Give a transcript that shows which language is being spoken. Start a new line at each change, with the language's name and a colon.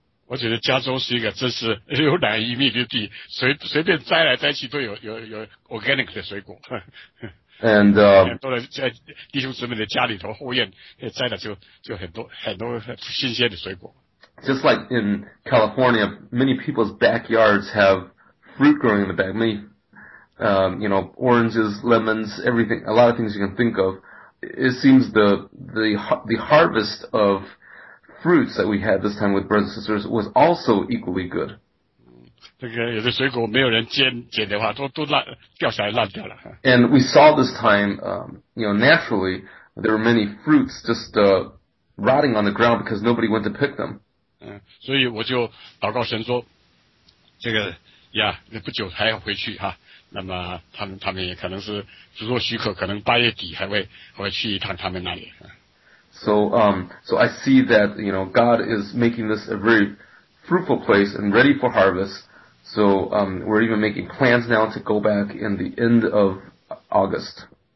Chinese: 我觉得加州是一个真是牛奶一密的地随便摘来摘去都有 organic 的水果。
English: And,
Chinese: 都在弟兄姊妹的家里头后院摘了就很多很多新鲜的水果。
English: Just like in California, many people's backyards have fruit growing in the back. Many You know, oranges, lemons, everything, a lot of things you can think of. It seems the harvest of fruits that we had this time with brothers and sisters was also equally good.
Chinese: 这个有的水果没有人捡的话，都烂掉下来烂掉了。
English: And we saw this time, you know, naturally there were many fruits just rotting on the ground because nobody went to pick them.
Chinese: 所以我就祷告神说，这个呀，不久还要回去哈，那么他们也可能是，如果许可，可能八月底还会去一趟他们那里。
English: So, so I see that you know God is making this a very fruitful place and ready for harvest. So we're even making plans now to go back in the end of August.